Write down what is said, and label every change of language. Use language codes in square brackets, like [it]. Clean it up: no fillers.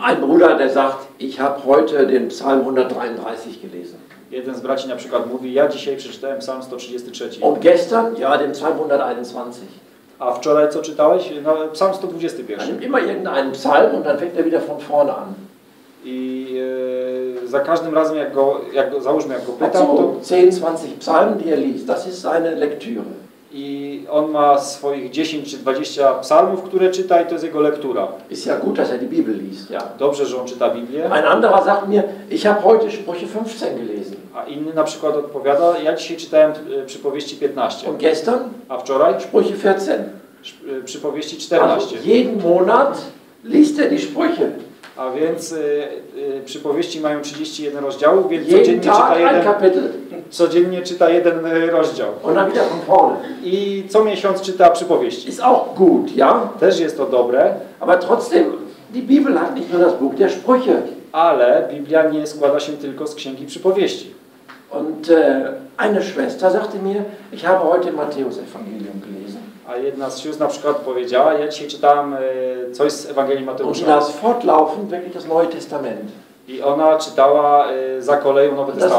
[de] Ein Bruder, der sagt, ich habe heute den Psalm 133 gelesen. [pl] Jeden z braci na przykład mówi, ja dzisiaj przeczytałem Psalm 133. [de] Und gestern, ja, den Psalm 121. [pl] A wczoraj co czytałeś? No, psalm 121. [de] Nimmt immer irgendeinen psalm und dann fängt wieder von vorne an. [pl] I za każdym razem, jak go pytam, [de] to 10-20 psalm, die er liest, das ist seine Lektüre. [pl] I on ma swoich 10 czy 20 psalmów, które czyta, i to jest jego lektura. [de] Ist ja gut, dass er die Bibel liest, ja. [pl] Dobrze, że on czyta Biblię. [de] Ein anderer sagt mir, ich habe heute Sprüche 15 gelesen. [pl] A inny na przykład odpowiada, ja dzisiaj czytałem Przypowieści 15. [de] Und gestern? [pl] A wczoraj? [de] Sprüche 14. [pl] Przypowieści 14. [de] Also jeden Monat liest er die Sprüche. [pl] A więc Przypowieści mają 31 rozdziału, więc codziennie czyta jeden [de] kapitel. [pl] Codziennie czyta jeden rozdział. [de] Ona wieder von vorne. [pl] I co miesiąc czyta Przypowieści. [de] Ist auch gut, ja? [pl] Też jest to dobre. [de] Aber trotzdem, die Bibel hat nicht nur das Buch der Sprüche. [pl] Ale Biblia nie składa się tylko z Księgi Przypowieści. [de] Und eine Schwester sagte mir, ich habe heute Matthäus Evangelium gelesen. [pl] A jedna z sióstr na przykład powiedziała, ja dzisiaj czytałam coś z Ewangelii Mateusza. [de] Und das fortlaufend wirklich das Neue Testament. [pl] I ona czytała za koleją Nowy Testament.